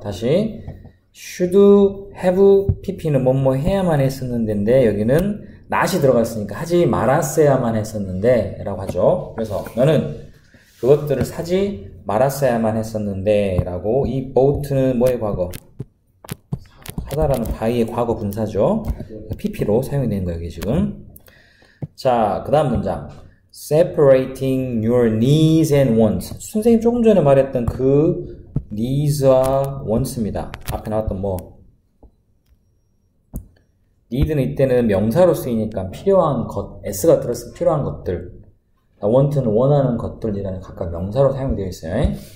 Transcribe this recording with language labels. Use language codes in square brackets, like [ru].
[ko] 다시 should have pp는 뭐뭐 해야만 했었는데 여기는 not이 들어가 있으니까 하지 말았어야만 했었는데 라고 하죠. 그래서 너는 그것들을 사지 말았어야만 했었는데 라고 이 bought는 뭐의 과거? 하다라는 by의 과거 분사죠. pp로 사용이 되는 거예요, 이게 지금. 자, 그 다음 문장. [en] Separating your needs and wants. [ko] 선생님 조금 전에 말했던 그 needs와 wants입니다. 앞에 나왔던 뭐. need는 이때는 명사로 쓰이니까 필요한 것, s가 들어서 필요한 것들. want는 원하는 것들이라는 각각 명사로 사용되어 있어요.